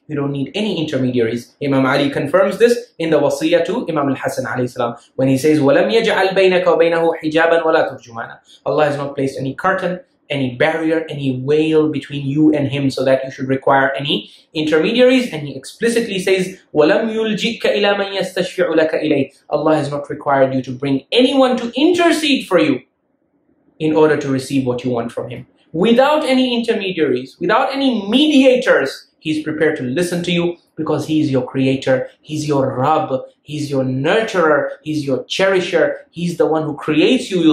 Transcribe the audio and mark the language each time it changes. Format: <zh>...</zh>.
<en>You don't need any intermediaries. Imam Ali confirms this in the wasiyah to Imam al-Hasan alayhi salam, when he says,</en> <ar>وَلَمْ يَجْعَلْ بَيْنَكَ وَبَيْنَهُ حِجَابًا وَلَا تُرْجُمَانًا.</ar> <en>Allah has not placed any curtain, any barrier, any veil between you and him so that you should require any intermediaries. And he explicitly says,</en> <ar>وَلَمْ يُلْجِئْكَ إِلَى مَنْ يَسْتَشْفِعُ لَكَ إِلَيْهِ.</ar> <en>Allah has not required you to bring anyone to intercede for you in order to receive what you want from him. Without any intermediaries, without any mediators, he's prepared to listen to you because he is your creator, he's your Rabb, he's your nurturer, he's your cherisher, he's the one who creates you.</en>